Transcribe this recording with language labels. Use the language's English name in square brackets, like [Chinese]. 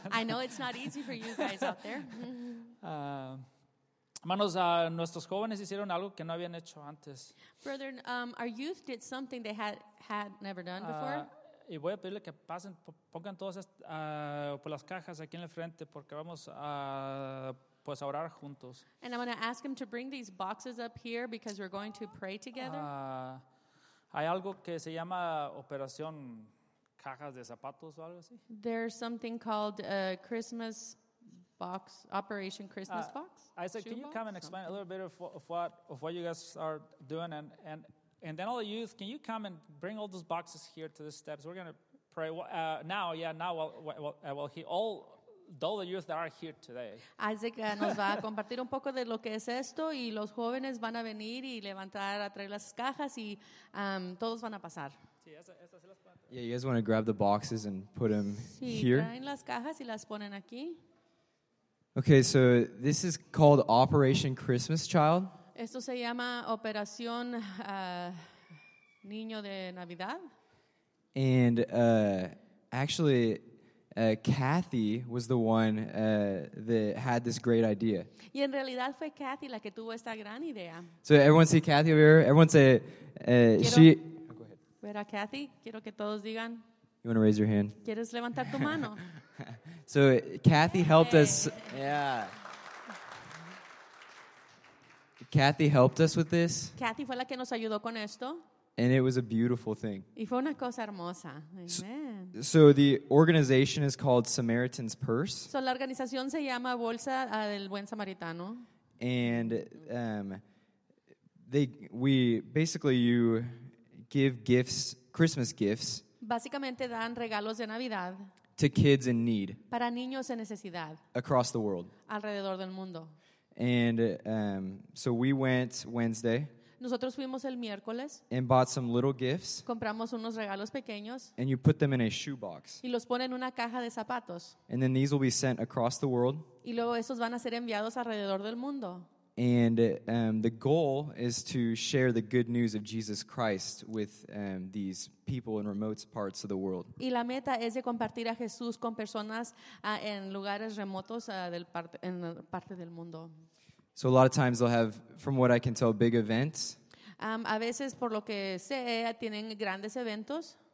[English] I know it's not easy for you guys out there. [Spanish] Hermanos, nuestros jóvenes hicieron algo que no habían hecho antes. [English] Brethren, our youth did something they had never done before. [Spanish] Y voy a pedirle que pasen, pongan todas por las cajas aquí en el frente, porque vamos a pues a orar juntos. [English] And I'm going to ask him to bring these boxes up here because we're going to pray together. [Spanish] Hay algo que se llama Operación Cajas de Zapatos o algo así. [English] There's something called a Christmas box, Operation Christmas box. I said, can you come and explain something a little bit of what you guys are doing and then all the youth, can you come and bring all those boxes here to the steps? We're going to pray all the youth that are here today. [Spanish] Isaac nos va a compartir un poco de lo que es esto y los jóvenes van a venir y levantar a traer las cajas y todos van a pasar. [English] Yeah, you guys want to grab the boxes and put them here? [Spanish] Sí, traen las cajas y las ponen aquí. [English] Okay, so this is called Operation Christmas Child. [Spanish] Esto se llama Operación Niño de Navidad. [English] And actually, Kathy was the one that had this great idea. [Spanish] Y en realidad fue Kathy la que tuvo esta gran idea. [English] So everyone see Kathy over here? Everyone say, she... Go ahead. [Spanish] Ver a Kathy, quiero que todos digan... [English] You want to raise your hand? [Spanish] ¿Quieres levantar tu mano? [English] So Kathy helped us... Yeah. Kathy helped us with this. [Spanish] Kathy fue la que nos ayudó con esto. [English] And it was a beautiful thing. [Spanish] Y fue una cosa hermosa. Amen. [English] So the organization is called Samaritan's Purse. [Spanish] So la organización se llama Bolsa del Buen Samaritano. [English] And we basically you give gifts, Christmas gifts. [Spanish] Básicamente dan regalos de Navidad. [English] To kids in need. [Spanish] Para niños en necesidad. [English] Across the world. [Spanish] Alrededor del mundo. [English] And so we went Wednesday. [Spanish] Nosotros fuimos el miércoles. [English] And bought some little gifts. [Spanish] Compramos unos regalos pequeños. [English] And you put them in a shoebox. [Spanish] Y los ponen en una caja de zapatos. [English] And then these will be sent across the world. [Spanish] Y luego esos van a ser enviados alrededor del mundo. [English] And the goal is to share the good news of Jesus Christ with these people in remote parts of the world. [Spanish] Y la meta es de compartir a Jesús con personas en lugares remotos en parte del mundo. [English] So a lot of times they'll have, from what I can tell, big events. [Spanish] A veces, por lo que sé, tienen grandes eventos.